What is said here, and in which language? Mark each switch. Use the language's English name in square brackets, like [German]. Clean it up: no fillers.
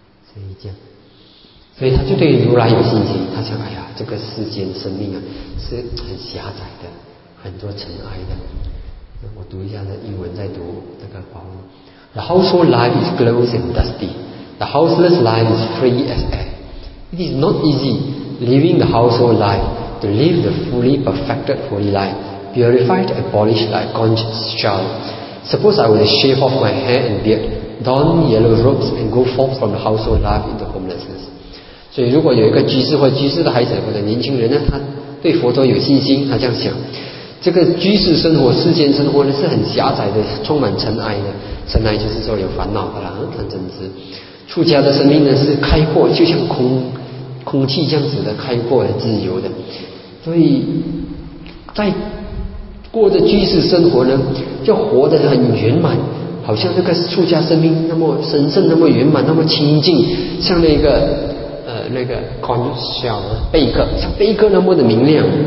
[Chinese] 所以这样，所以他就对如来有信心，他想，哎呀，这个世间生命啊是很狭窄的，很多尘埃的。我读一下的英文，再读这个法文。 [English] The household life is close and dusty. The houseless life is free as air. It is not easy living the household life to live the fully perfected holy life, purified and polished like conscious child. Suppose I were to shave off my hair and beard, don yellow robes and go forth from the household life into homelessness. [Chinese] 所以如果有一个居士或居士的孩子或者年轻人呢，他对佛陀有信心，他这样想，这个居士生活世间生活呢是很狭窄的，充满尘埃的，尘埃就是说有烦恼的啦，贪嗔痴。出家的生命呢是开阔，就像空气这样子的开阔的自由的，所以在过着居士生活呢就活得很圆满，好像那个出家生命那么神圣，那么圆满，那么清净，像那个 conscious 贝壳，像贝壳那么的明亮。